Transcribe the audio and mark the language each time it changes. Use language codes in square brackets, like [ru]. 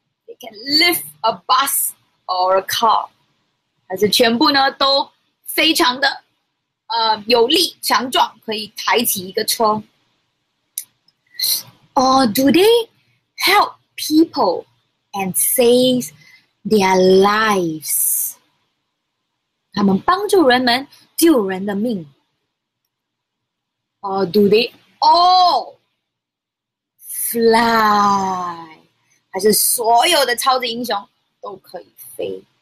[en] They can lift a bus or a car. [zh] 还是全部呢都非常的有力强壮，可以抬起一个车。 [en] Or do they help people and save their lives? [zh] 他们帮助人们救人的命。 [en] Or do they all? [zh] Fly, 还是所有的超级英雄都可以飞。